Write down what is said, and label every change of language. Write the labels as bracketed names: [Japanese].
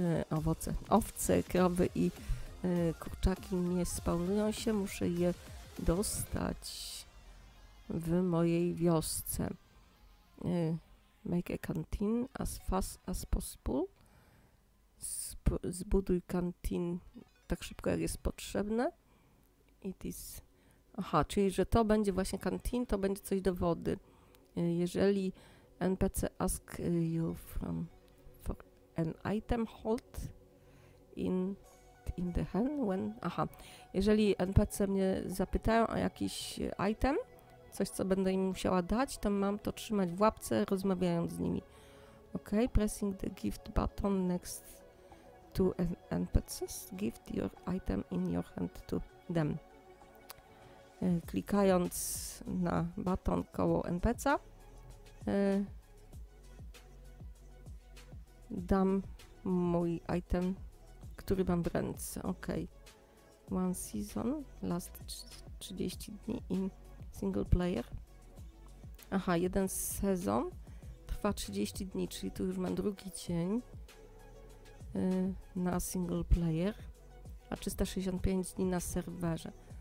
[Polish] Owoce, owce, krowy i kurczaki nie spawnują się. Muszę je dostać w mojej wiosce. [English] Make a canteen as fast as possible. [Polish] Zbuduj canteen tak szybko, jak jest potrzebne. [English] It is... [Polish] Aha, czyli że to będzie właśnie canteen, to będzie coś do wody. Jeżeli [English] NPC ask you for an item, hold in the hand when... [Polish] Aha, jeżeli NPC mnie zapytają o jakiś item, coś, co będę im musiała dać, to mam to trzymać w łapce, rozmawiając z nimi. [English] Ok, pressing the gift button next to NPCs. Gift your item in your hand to them. [Polish] Klikając na button koło NPC-a, dam mój item, który mam w ręce. Ok. [English] One season, last 30 dni in single player. [Polish] Aha, jeden sezon trwa 30 dni, czyli tu już mam drugi dzień na single player, a 365 dni na serwerze.